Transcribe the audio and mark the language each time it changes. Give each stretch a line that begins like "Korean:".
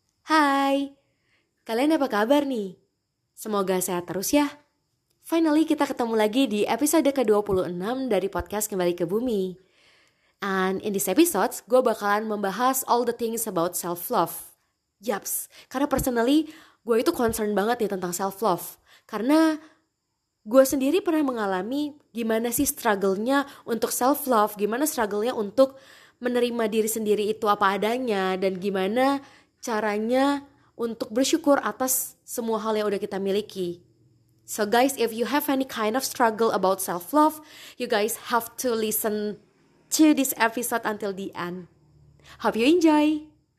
Indonesian: Hai, kalian apa kabar nih? Semoga sehat terus ya. Finally kita ketemu lagi di episode ke-26 dari podcast Kembali ke Bumi.
English: And in this episode,
Indonesian: gue bakalan membahas
English: all the things about self-love.
Indonesian: Yaps, karena personally, gue itu concern banget nih tentang self-love. Karena gue sendiri pernah mengalami gimana sih struggle-nya untuk self-love, gimana struggle-nya untuk menerima diri sendiri itu apa adanya, dan gimana caranya untuk bersyukur atas semua hal yang udah kita miliki.
English: So guys, if you have any kind of struggle about self-love, you guys have to listen to this episode until the end. Hope you enjoy!